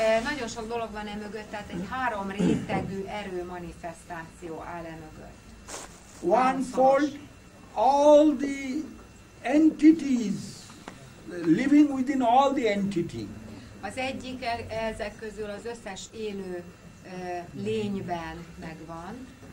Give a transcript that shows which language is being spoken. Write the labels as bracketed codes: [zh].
[hu] Nagyon sok dolog van e mögött, tehát egy három rétegű erő manifestáció áll e mögött. [en] One fold, all the entities living within all the entity. [hu] Az egyik ezek közül az összes élő lényben megvan.